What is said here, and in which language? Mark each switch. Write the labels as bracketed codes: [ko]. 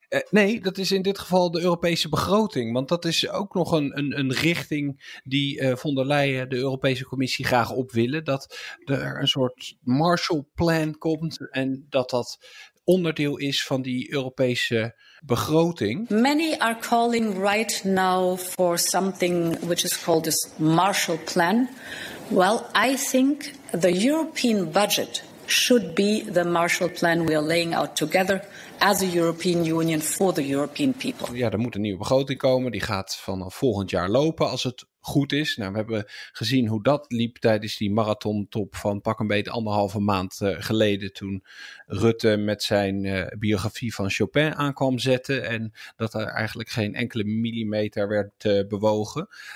[nl] Nee, dat is in dit geval de Europese begroting. Want dat is ook nog een richting die von der Leyen, de Europese Commissie, graag op willen. Dat er een soort Marshall Plan komt en dat onderdeel is van die Europese begroting. [en] Many are calling right now for something which is called this Marshall Plan. Well, I think the European budget should be the Marshall Plan we are laying out together as a European Union for the European people. [nl] Ja, er moet een nieuwe begroting komen. Die gaat vanaf volgend jaar lopen als het goed is. Nou, we hebben gezien hoe dat liep tijdens die marathontop van pak een beetje anderhalve maand geleden toen Rutte met zijn biografie van Chopin aankwam zetten en dat er eigenlijk geen enkele millimeter werd bewogen.